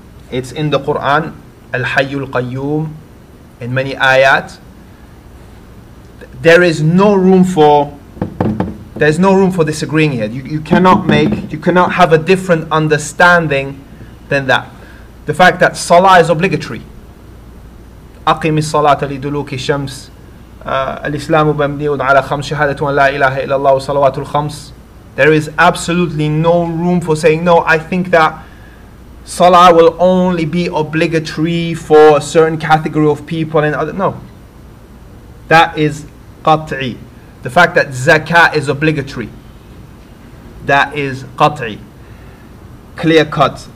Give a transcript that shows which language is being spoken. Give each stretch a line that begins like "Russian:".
English: It's in the Quran, Al-Hayyul Qayyum, in many ayat, there is no room for disagreeing here. You cannot have a different understanding than that. The fact that salah is obligatory.
Arabic: أقيم الصلاة لدلوك الشمس الإسلام مبني على خمس شهادة أن لا إله إلا الله وصلوات الخمس.
English: There is absolutely no room for saying no. I think that salah will only be obligatory for a certain category of people and other. No, that is قطعي. The fact that zakah is obligatory, that is قطعي, clear cut.